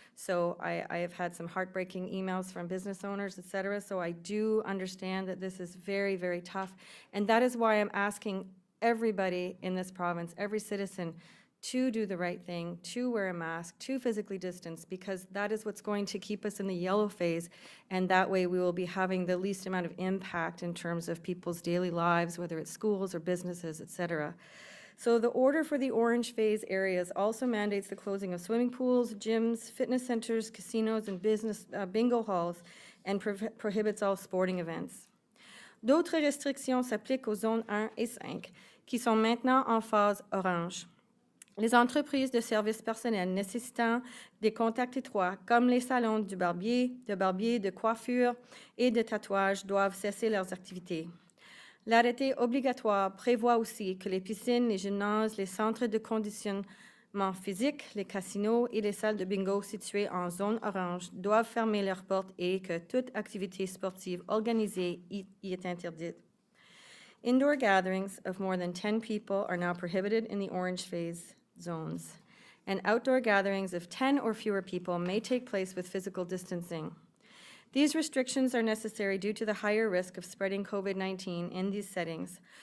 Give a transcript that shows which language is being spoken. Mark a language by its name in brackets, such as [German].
[English] So I have had some heartbreaking emails from business owners, etc., so I do understand that this is very, very tough, and that is why I'm asking everybody in this province, every citizen, to do the right thing, to wear a mask, to physically distance, because that is what's going to keep us in the yellow phase, and that way we will be having the least amount of impact in terms of people's daily lives, whether it's schools or businesses, etc. So the order for the orange phase areas also mandates the closing of swimming pools, gyms, fitness centers, casinos, and business bingo halls, and prohibits all sporting events. [French] D'autres restrictions s'appliquent aux zones 1 et 5, qui sont maintenant en phase orange. Les entreprises de services personnels nécessitant des contacts étroits, comme les salons du barbier, de barbier, de coiffure et de tatouage, doivent cesser leurs activités. L'arrêté obligatoire prévoit aussi que les piscines, les gymnases, les centres de conditionnement physique, les casinos et les salles de bingo situées en zone orange doivent fermer leurs portes et que toute activité sportive organisée y est interdite. [English] Indoor gatherings of more than 10 people are now prohibited in the orange phase zones. and outdoor gatherings of 10 or fewer people may take place with physical distancing. These restrictions are necessary due to the higher risk of spreading COVID-19 in these settings.